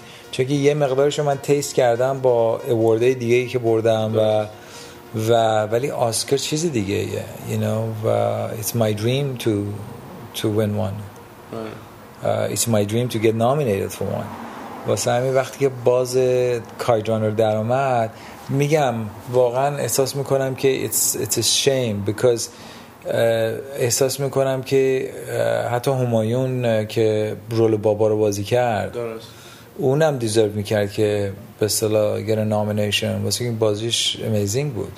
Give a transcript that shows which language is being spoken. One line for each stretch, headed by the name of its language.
Persian: چون که یه مقدارشو من تیست کردم با اوردهای دیگه ای که بردم و ولی آسکر چیز دیگه ایه،
English: you know،
Persian: و
English: it's my dream to win one. It's my dream to get nominated for one.
Persian: واسه همین وقتی که باز کایدرانر در اومد، میگم واقعا احساس میکنم که
English: it's a shame because
Persian: احساس میکنم که حتی همایون که رول بابا رو بازی کرد، درست، اونم دیزرو میکرد که به اصطلاح گره نامینیشن، واسه این بازیش امیزینگ بود،